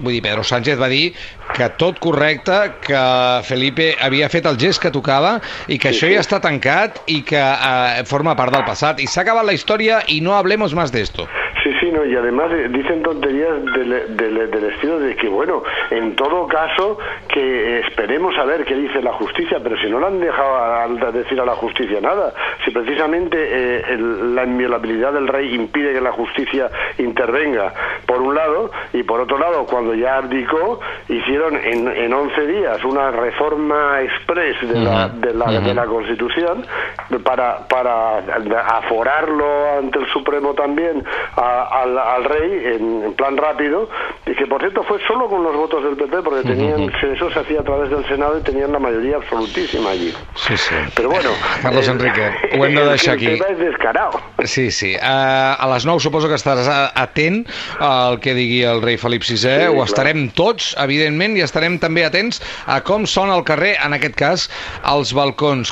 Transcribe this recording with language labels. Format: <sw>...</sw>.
<ca>Vull dir, Pedro Sánchez va dir que tot correcte, que Felipe havia fet el gest que tocava i que això ja està tancat i que forma part del passat. I s'ha acabat la història i</ca> <es>no hablemos más</es> <ca>d'esto.</ca> <es>Sino, y además dicen tonterías del estilo de que, bueno, en todo caso, que esperemos a ver qué dice la justicia, pero si no le han dejado a decir a la justicia nada, si precisamente la inviolabilidad del rey impide que la justicia intervenga, por un lado, y por otro lado, cuando ya abdicó, hicieron en 11 días una reforma express de la Constitución para aforarlo ante el Supremo también al rey en plan rápido, y que por cierto fue solo con los votos del PP, porque tenían eso se hacía a través del Senado y tenían la mayoría absolutísima allí. Sí, sí. Pero bueno,</es> <ca>Carlos Enrique, ho hem de deixar aquí. El tema és descarado. Sí, sí. A les 9 suposo que estaràs atent al que digui el rei Felip VI, sí, ho estarem tots, evidentment, i estarem també atents a com sona el carrer, en aquest cas, als balcons.</ca>